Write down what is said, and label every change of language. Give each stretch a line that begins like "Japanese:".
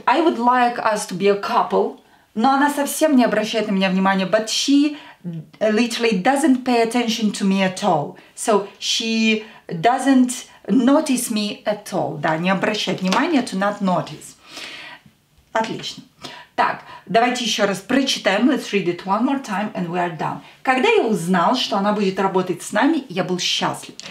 English: I would like us to be a couple.
Russian: Но она совсем не обращает на меня внимания.
English: But she literally doesn't pay attention to me at all. So she doesn't notice me at all.
Russian: Да, не обращает внимания,
English: to not notice.
Russian: Отлично. Так, давайте еще раз прочитаем.
English: Let's read it one more time and we are done.
Russian: Когда я узнал, что она будет работать с нами, я был счастлив.